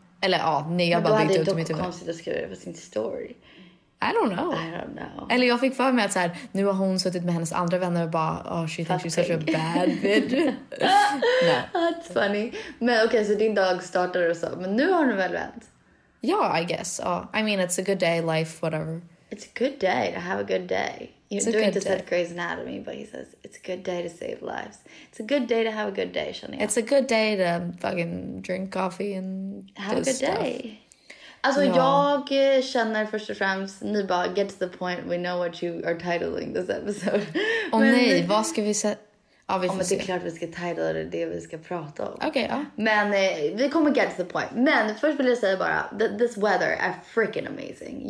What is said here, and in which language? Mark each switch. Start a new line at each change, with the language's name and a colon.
Swedish: Eller ja, nej, jag men bara bytte ut om mitt huvud. Men då hade det konstigt att skriva det på sin story.
English: I don't know.
Swedish: Eller jag fick för mig att så här, nu har hon suttit med hennes andra vänner och bara,
English: oh, she thinks she's such a bad bitch. That's funny.
Swedish: Men okej, så din dag startade och så. Men nu har hon väl vänt?
English: Ja, yeah, I guess. I mean, it's a good day, life, whatever. It's a good day to have a good day. You're doing this at Grey's Anatomy, but he says it's a good day to save lives. It's a good day to have a good day, Shania. It's a good day to fucking drink coffee and have a good stuff. Day.
Swedish: Alltså
English: no.
Swedish: Jag känner först och främst, ni bara,
English: get to the point, we know what you are titling this episode.
Swedish: Oh, men, nej, vad ska vi säga? Ja, vi får se. Det är klart vi ska titla det vi ska prata om. Okej, ja. Men vi kommer
English: get to the point.
Swedish: Men först vill jag säga bara,
English: this weather
Swedish: är
English: freaking amazing.